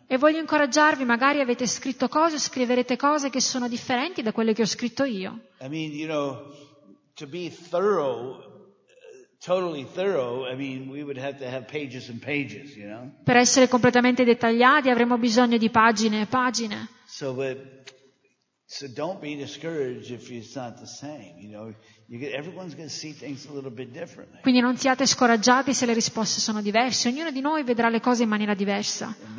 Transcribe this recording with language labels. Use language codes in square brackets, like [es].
[it] E voglio incoraggiarvi, magari avete scritto cose, scriverete cose che sono differenti da quelle che ho scritto io. [en] I mean, you know, to be thorough, totally thorough, I mean, we would have to have pages and pages, you know? [it] Per essere completamente dettagliati avremo bisogno di pagine e pagine. [en] So don't be discouraged if it's not the same, you know? Everyone's going to see things a little bit differently. [it] Quindi non siate scoraggiati se le risposte sono diverse. Ognuno di noi vedrà le cose in maniera diversa.